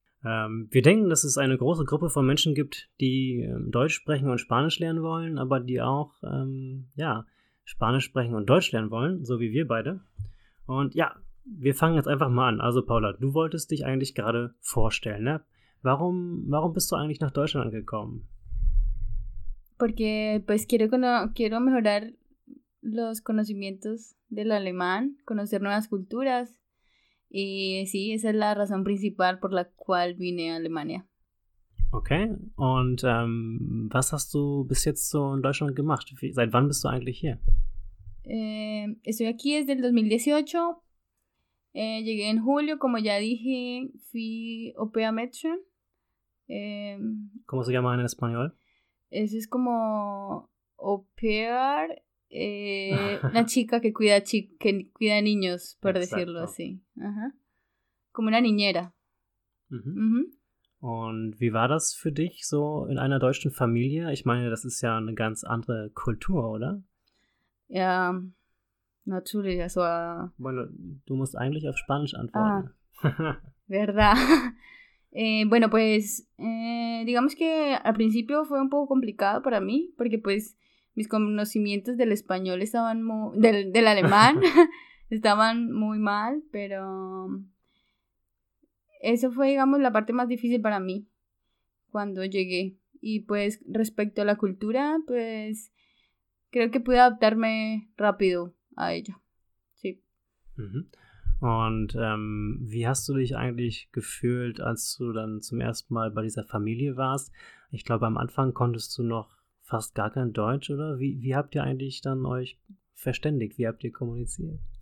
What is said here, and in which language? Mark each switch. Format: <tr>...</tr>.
<de>Wir denken, dass es eine große Gruppe von Menschen gibt, die Deutsch sprechen und Spanisch lernen wollen, aber die auch ja, Spanisch sprechen und Deutsch lernen wollen, so wie wir beide. Und ja, wir fangen jetzt einfach mal an. Also Paola, du wolltest dich eigentlich gerade vorstellen, ne? Warum bist du eigentlich nach Deutschland gekommen?</de> <es>Porque pues quiero mejorar los conocimientos del alemán, conocer nuevas culturas. Y sí, esa es la razón principal por la cual vine a Alemania. Okay, und was hast du bis jetzt so in Deutschland gemacht? Seit wann bist du eigentlich hier? Estoy aquí desde el 2018. Llegué en julio, como ya dije, fui au pair médecin. ¿Cómo se llama en español? Eso es como au pair, una chica que cuida cuida niños, por exacto, decirlo así. Ajá. Como una niñera.</es> <de>Und wie war das für dich so in einer deutschen Familie? Ich meine, das ist ja eine ganz andere Kultur, oder? Ja, natürlich. Also, bueno, du musst eigentlich auf Spanisch antworten.</de> <es>Verdad. Bueno, pues, digamos que al principio fue un poco complicado para mí, porque pues mis conocimientos del español estaban del alemán estaban muy mal, pero eso fue, digamos, la parte más difícil para mí cuando llegué. Y pues respecto a la cultura, pues creo que pude adaptarme rápido a ella. Sí.</es> <de>Und wie hast du dich eigentlich gefühlt, als du dann zum ersten Mal bei dieser Familie warst? Ich glaube, am Anfang konntest du noch fast gar kein Deutsch, oder? Wie habt ihr eigentlich dann euch verständigt? Wie habt ihr kommuniziert?</de>